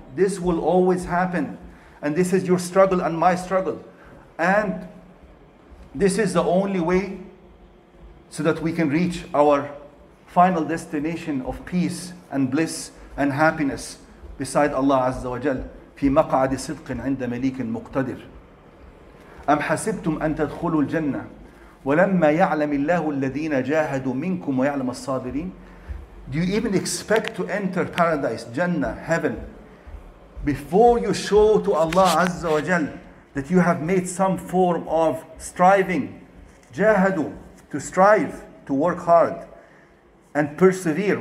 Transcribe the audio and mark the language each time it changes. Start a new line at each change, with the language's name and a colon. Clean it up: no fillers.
English: This will always happen. And this is your struggle and my struggle. And this is the only way so that we can reach our final destination of peace and bliss and happiness beside Allah Azza wa Jal.
Arabic: في مقعد صدق عند مليك مقتدر. أم حسبتم أن تدخلوا الجنة ولما يعلم الله الذين جاهدوا منكم ويعلم الصابرين.
English: Do you even expect to enter paradise, Jannah, heaven, before you show to Allah Azza wa Jal that you have made some form of striving? جاهدوا, to strive, to work hard, and persevere.